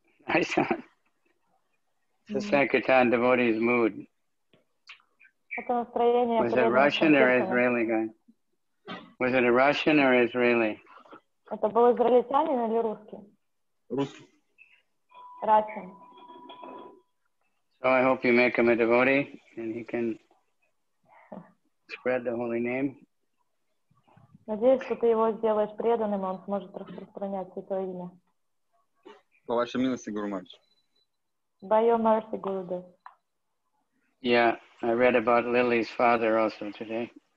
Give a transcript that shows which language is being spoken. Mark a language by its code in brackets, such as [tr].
[en] Yeah. The Sankirtan devotee's mood. Was it Russian or Israeli guy? Was it a Russian or Israeli? [ru] Это был израильтянин или русский? Русский. [en] Russian. So I hope you make him a devotee and he can spread the holy name. [ru] Надеюсь, что ты его сделаешь преданным, он сможет распространять святое имя. По вашей милости, Гуру Мадж. [en] By your mercy, Gurudev. Yeah, I read about Lily's father also today.